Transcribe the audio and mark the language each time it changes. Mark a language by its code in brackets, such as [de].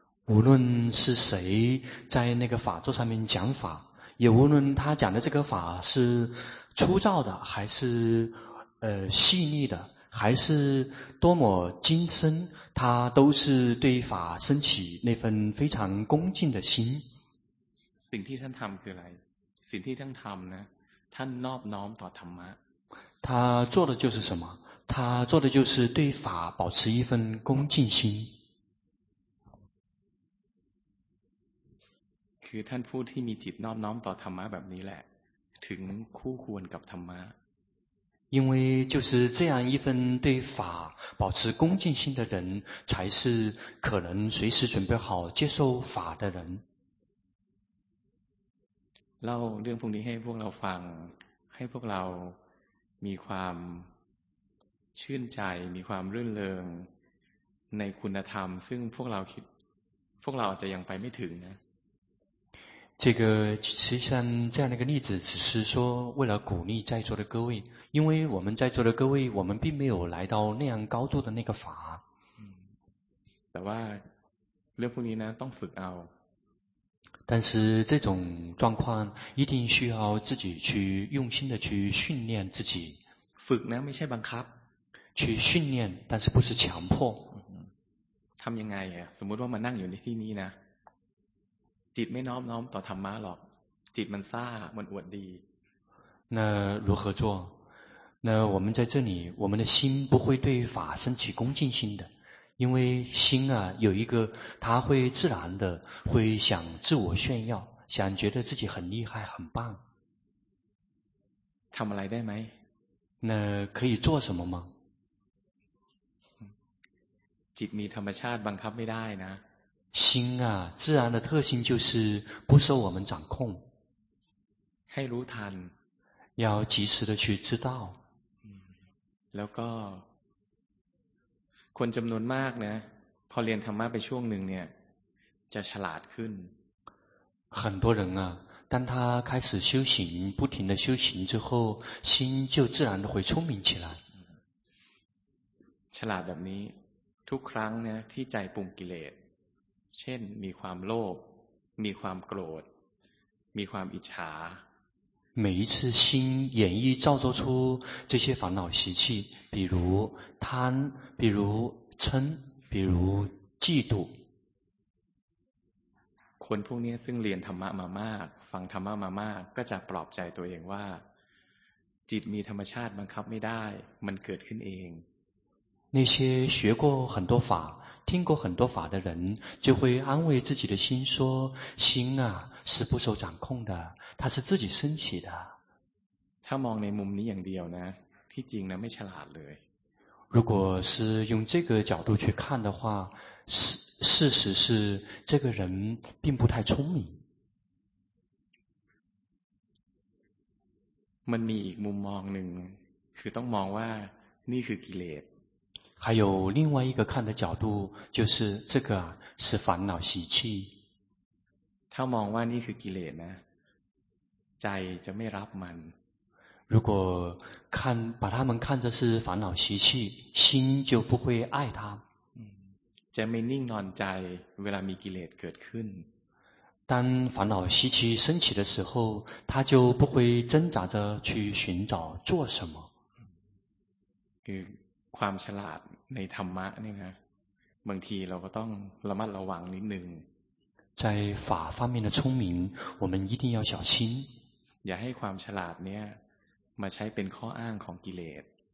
[zh] 无论是谁在那个法座上面讲法也无论他讲的这个法是粗糙的还是细腻的还是多么精深他都是对法升起那份非常恭敬的心 [th] สิ่งที่ท่านทำคืออะไรสิ่งที่ท่านทำนะ [zh] 他 [th] นอบน้อมต่อธรรมะ [zh] 他做的就是什么他做的就是对法保持一份恭敬心 [th] คือท่านผู้ที่มีจิตนอบน้อมต่อธรรมะแบบนี้แหละถึงคู่ควรกับธรรมะ [zh] 因为就是这样一份对法保持恭敬心的人才是可能随时准备好接受法的人 [th] เล่าเรื่องพวกนี้ให้พวกเราฟังให้พวกเรามีความชื่นใจมีความรื่นเริงในคุณธรรมซึ่งพวกเราคิดพวกเราอาจจะยังไปไม่ถึงนะ [zh] 这个实际上这样的一个例子只是说为了鼓励在座的各位因为我们在座的各位我们并没有来到那样高度的那个法 [th] แต่ว่าเรื่องพวกนี้นะต้องฝึกเอา [zh] 但是这种状况一定需要自己去用心的去训练自己 [th] ฝึกนะไม่ใช่บังคับ [zh] 去训练但是不是强迫 [th] ทำยังไงอ่ะสมมติว่ามานั่งอยู่ในที่นี้นะจิตไม่น้อมน้อมต่อธรรมะหรอกจิตมันซ่ามันอวดดี [zh] 那如何做那我们在这里我们的心不会对法升起恭敬心的因为心啊有一个他会自然的会想自我炫耀想觉得自己很厉害很棒 [th] ทำอะไรได้ไหม [zh] 那可以做什么吗 [th] จิตมีธรรมชาติบังคับไม่ได้นะ [zh] 心啊自然的特性就是不受我们掌控 [th] ให้รู้ทัน [zh] 要及时的去知道 [th] แล้วก็คนจำนวนมากนะพอเรียนธรรมะไปช่วงหนึ่งเนี่ยจะฉลาดขึ้น [zh] 很多人啊当他开始修行不停的修行之后心就自然的会聪明起来 [th] ฉลาดแบบนี้ทุกครั้งเนี่ยที่ใจปรุงกิเลสเช่นมีความโลภมีความโกรธมีความอิจฉา [zh] 每一次心演绎造作出这些烦恼习气比如贪比如嗔比如嫉妒 [th] คนพวกนี้ซึ่งเรียนธรรมะมามากฟังธรรมะมามากก็จะปลอบใจตัวเองว่าจิตมีธรรมชาติบังคับไม่ได้มันเกิดขึ้นเอง [zh] 那些学过很多法听过很多法的人就会安慰自己的心说心啊是不受掌控的它是自己升起的 [th] ถ้ามองในมุมนี้อย่างเดียวนะที่จริงนะไม่ฉลาดเลย [zh] 如果是用这个角度去看的话事实是这个人并不太聪明 [th] มันมีอีกมุมมองหนึ่งคือต้องมองว่านี่คือกิเลส [zh] 还有另外一个看的角度就是这个是烦恼习气 [th] ถ้ามองว่านี่คือกิเลสนะใจจะไม่รับมัน [zh] 如果看把他们看着是烦恼习气心就不会爱他 [th] จะไม่นิ่งนอนใจเวลามีกิเลสเกิดขึ้น [zh] 当烦恼习气升起的时候他就不会挣扎着去寻找做什么 [th] คือความฉลาดในธรรมะนี่นะบางทีเราก็ต้องระมัดระวังนิดนึง [zh] 在法方面的聪明我们一定要小心 [th] อย่าให้ความฉลาดเนี่ยมาใช้เป็นข้ออ้างของกิเลส